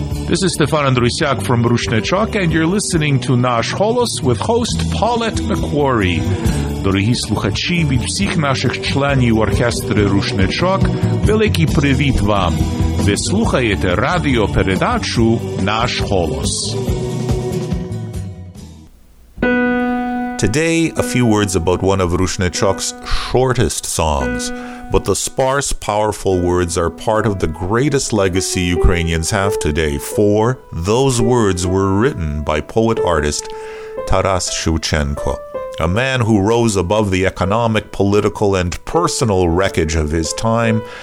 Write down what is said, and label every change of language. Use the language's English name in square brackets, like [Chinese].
[English] This is Stefan Andrusiak from Rushnechok, and you're listening to Nash Holos with host Paulette McQuarrie. [Ukrainian] Дорогі слухачі, від всіх наших членів оркестри Рушничок, великий привіт вам! Ви слухаєте радіопередачу «Наш голос». [English] Today, a few words about one of Rushnechok's shortest songs, but the sparse, powerful words are part of the greatest legacy Ukrainians have today, for those words were written by poet-artist Taras Shevchenko, a man who rose above the economic, political, and personal wreckage of his time